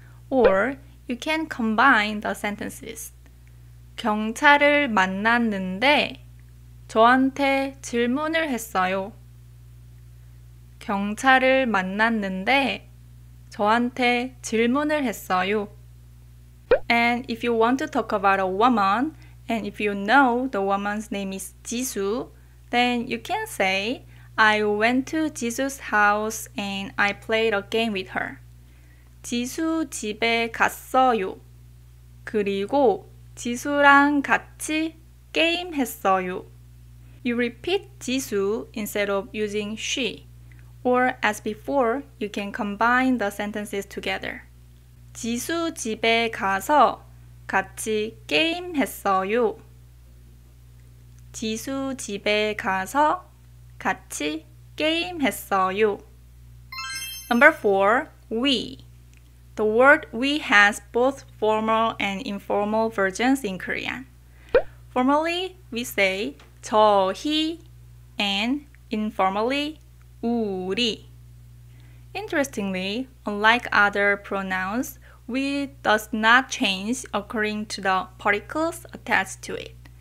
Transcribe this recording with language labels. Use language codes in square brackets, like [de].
[en] Or you can combine the sentences. [ko] 경찰을 만났는데 저한테 질문을 했어요. 경찰을 만났는데 저한테 질문을 했어요. [en] And if you want to talk about a woman, and if you know the woman's name is Jisoo, then you can say, I went to Jisoo's house and I played a game with her. [ko] 지수 집에 갔어요. 그리고 지수랑 같이 게임했어요. [en] You repeat 지수 instead of using she. Or as before, you can combine the sentences together. [ko] 지수 집에 가서 같이 게임했어요. 지수 집에 가서 같이 게임했어요. [en] Number 4, we. The word we has both formal and informal versions in Korean. Formally, we say 저희 and informally 우리. Interestingly, unlike other pronouns, we does not change according to the particles attached to it.